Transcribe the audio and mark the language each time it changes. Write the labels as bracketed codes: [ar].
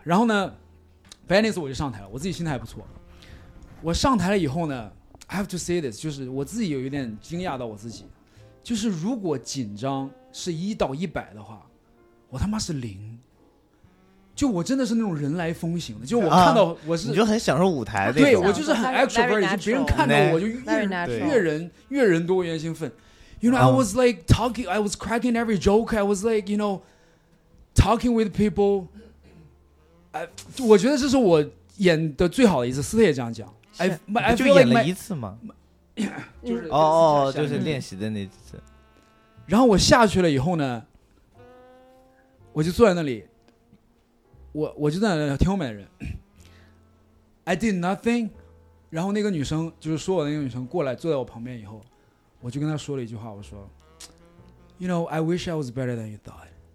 [zh] 然后呢 Venice 我就上台了，我自己心态还不错。我上台了以后呢 [en] I have to say this， [zh] 就是我自己有一点惊讶到我自己，就是如果紧张是一到一百的话，我他妈是零，就我真的是那种人来疯型的，就我看到我是、你就很享受舞台，对，我就是很 extrovert， 别人看到我就越人多元兴奋。 [en] You know, I was like talking, I was cracking every joke, I was like, you know, talking with people. [zh] 我觉得这是我演的最好的一次，斯特也这样讲。就演了一次吗？就是练习的那次。然后我下去了以后呢，我就坐在那里。我就在那听后面的人 [en] I did nothing， [zh] 然后那个女生就是说我的那个女生过来坐在我旁边以后，我就跟她说了一句话，我说 [en] You know I wish I was better than you thought。